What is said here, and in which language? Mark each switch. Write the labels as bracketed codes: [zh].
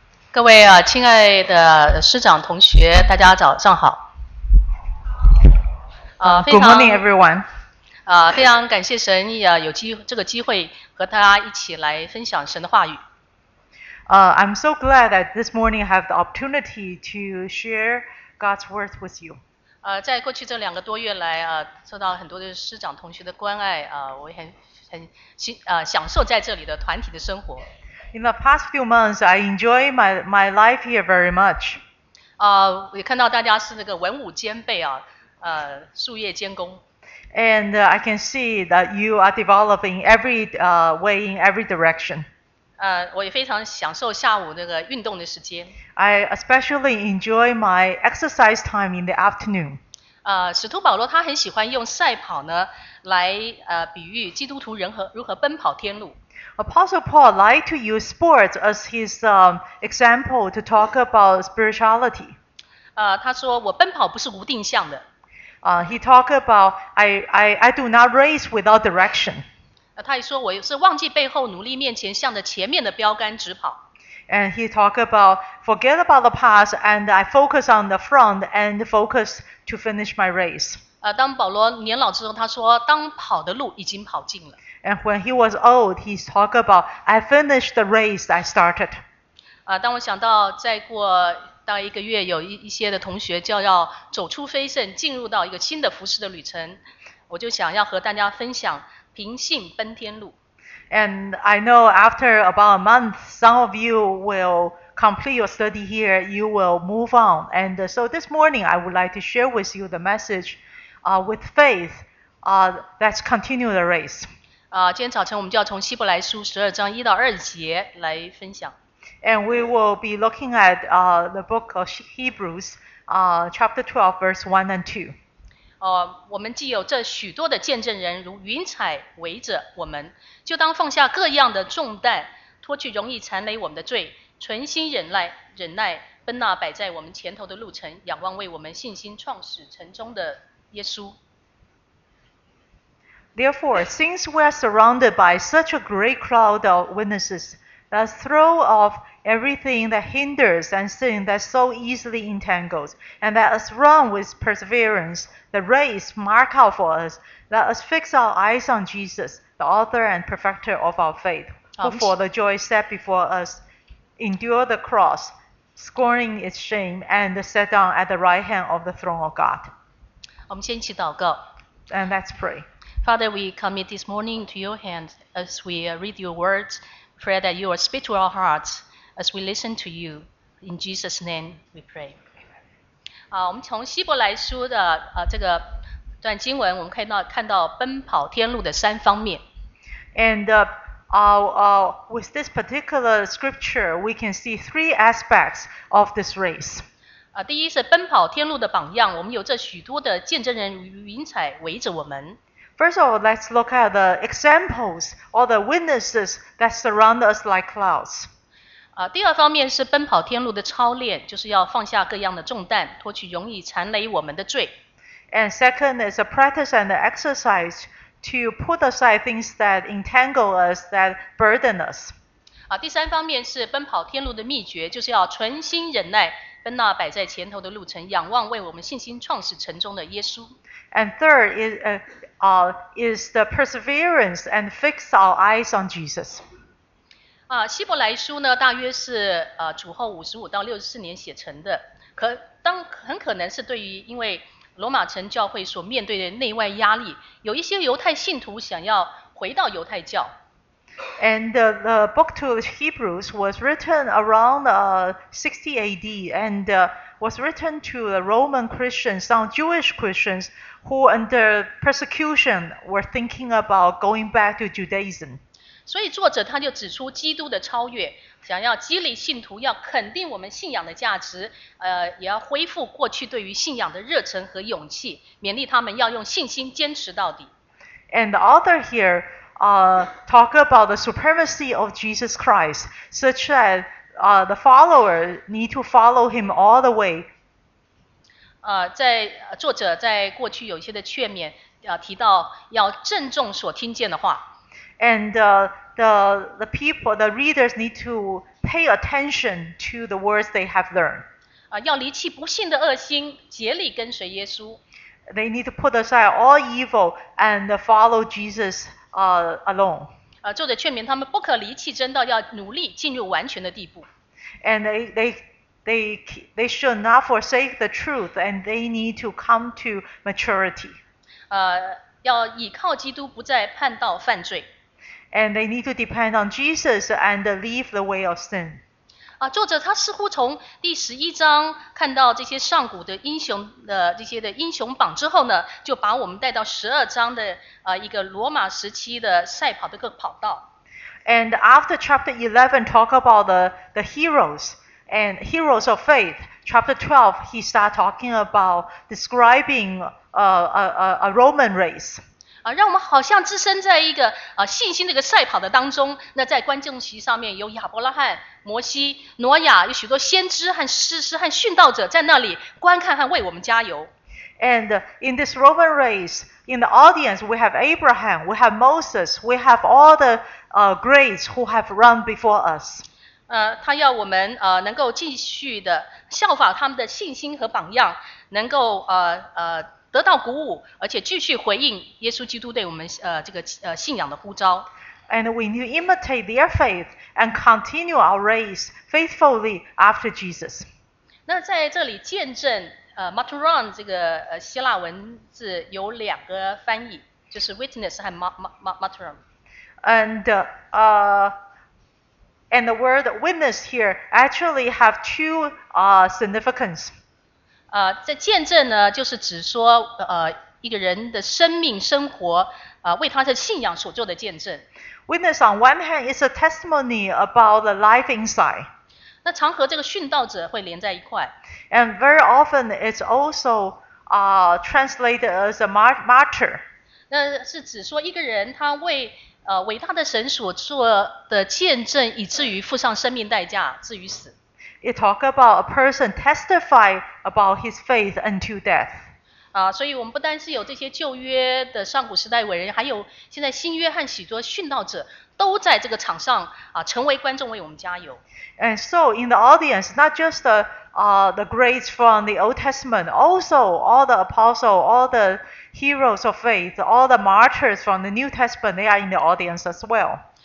[zh] 各位啊，亲爱的师长同学，大家早上好。 [en] Good morning, everyone. [zh] 非常感谢神啊，有这个机会和大家一起来分享神的话语。 [en] I'm so glad that this morning I have the opportunity to share God's word with you. [zh] 在过去这两个多月来啊，受到很多的师长同学的关爱啊，我很享受在这里的团体的生活。 [en] In the past few months, I enjoy my life here very much. [zh] 我看到大家是那个文武兼备啊，术业兼工。 [en] And I can see that you are developing every way in every direction. [zh] 我也非常享受下午那个运动的时间。 [en] I especially enjoy my exercise time in the afternoon. [zh] 使徒保罗他很喜欢用赛跑呢来比喻基督徒如何奔跑天路。 [en] Apostle Paul liked to use sports as his example to talk about spirituality. [zh] 他说我奔跑不是无定向的。 [en] He talked about I do not race without direction. [zh] 他也说我是忘记背后努力面前向着前面的标杆直跑。 [en] And he talked about forget about the past and I focus on the front and focus to finish my race. [zh] 当保罗年老之后，他说当跑的路已经跑尽了。 [en] And when he was old, he talked about, I finished the race I started. [zh] 当我想到再过大概一个月，有一些的同学就要走出非圣，进入到一个新的服事的旅程，我就想要和大家分享凭信奔天路。 [en] And I know after about a month, some of you will complete your study here, you will move on. And so this morning, I would like to share with you the message, with faith, let's continue the race. [zh] 今天早晨我们就要从希伯来书十二章一到二节来分享。 [en] And we will be looking at the book of Hebrews, chapter 12, verse 1 and 2. [zh] 我们既有这许多的见证人如云彩围着我们，就当放下各样的重担，脱去容易缠累我们的罪，存心忍耐，奔那摆在我们前头的路程，仰望为我们信心创始成终的耶稣。 [en] Therefore, since we are surrounded by such a great cloud of witnesses, let us throw off everything that hinders and sin that so easily entangles, and let us run with perseverance the race marked out for us. Let us fix our eyes on Jesus, the author and perfecter of our faith, who for the joy set before us endured the cross, scorning its shame, and sat down at the right hand of the throne of God. [zh] 我们先一起祷告。 [en] And let's pray. Father, we commit this morning to your hands as we read your words. Pray that you will speak to our hearts as we listen to you. In Jesus' name, we pray. [zh] 我们从希伯来书的这个段经文，我们看到奔跑天路的三方面。 [en] And with this particular scripture, we can see three aspects of this race. [zh] 第一是奔跑天路的榜样，我们有着许多的见证人如云彩围着我们。 [en] First of all, let's look at the examples or the witnesses that surround us like clouds. [zh] 第二方面是奔跑天路的操练，就是要放下各样的重担，脱去容易缠累我们的罪。 [en] And second is a practice and an exercise to put aside things that entangle us, that burden us. [zh] 第三方面是奔跑天路的秘诀，就是要存心忍耐，奔那摆在前头的路程，仰望为我们信心创始成终的耶稣。 [en] And third is the perseverance and fix our eyes on Jesus. [zh] 希伯来书呢，大约是主后55-64年写成的，很可能是对于因为罗马城教会所面对的内外压力，有一些犹太信徒想要回到犹太教。 [en] And the book to Hebrews was written around 60 AD and was written to the Roman Christians, some Jewish Christians who under persecution were thinking about going back to Judaism. [zh] 所以作者他就指出基督的超越，想要激励信徒要肯定我们信仰的价值，也要恢复过去对于信仰的热忱和勇气，勉励他们要用信心坚持到底。 [en] And the author here talk about the supremacy of Jesus Christ, such that the follower need to follow him all the way. [zh] 在作者在过去有一些的劝勉，提到要郑重所听见的话。 [en] And the people, the readers need to pay attention to the words they have learned. [zh] 要离弃不信的恶心，竭力跟随耶稣。 [en] They need to put aside all evil and follow Jesus alone. [zh] 作者劝勉他们不可离弃真道，要努力进入完全的地步。 [en] And they should not forsake the truth, and they need to come to maturity. [zh] 要倚靠基督，不再判道犯罪。 [en] And they need to depend on Jesus and leave the way of sin. [zh] 作者他似乎从第十一章看到这些上古的英雄的这些的英雄榜之后呢，就把我们带到十二章的一个罗马时期的赛跑的各跑道。 [en] And after chapter 11 talk about the heroes and heroes of faith, chapter 12 he start talking about describing a Roman race. [zh] 让我们好像置身在一个信心的一个赛跑的当中，那在观众席上面有亚伯拉罕、摩西、挪亚，有许多先知和士师和殉道者在那里观看和为我们加油。 [en] And in this Roman race, in the audience, we have Abraham, we have Moses, we have all the greats who have run before us. [zh] 他要我们能够继续的效法他们的信心和榜样，能够得到鼓舞，而且继续回应耶稣基督对我们这个信仰的呼召。 [en] And we need to imitate their faith and continue our race faithfully after Jesus. [zh] 那在这里见证Maturon 这个希腊文字有两个翻译，就是 witness 和 Maturon。 [en] And the word witness here actually have two significance. [zh] 在见证呢，就是指说一个人的生命生活为他的信仰所做的见证。 [en] Witness on one hand is a testimony about the life inside. [zh] 那常和这个殉道者会连在一块。 [en] And very often it's also translated as a martyr. [zh] 那是指说一个人他为伟大的神所做的见证，以至于付上生命代价，至于死。 [en] It talk about a person testify about his faith unto death. [zh] 所以我们不单是有这些旧约的上古时代伟人，还有现在新约和许多殉道者。都在这个场上成为观众为我们加油。 [en] And so in the audience, not just the greats from the Old Testament, also all the apostles, all the heroes of faith, all the martyrs from the New Testament, they are in the audience as well.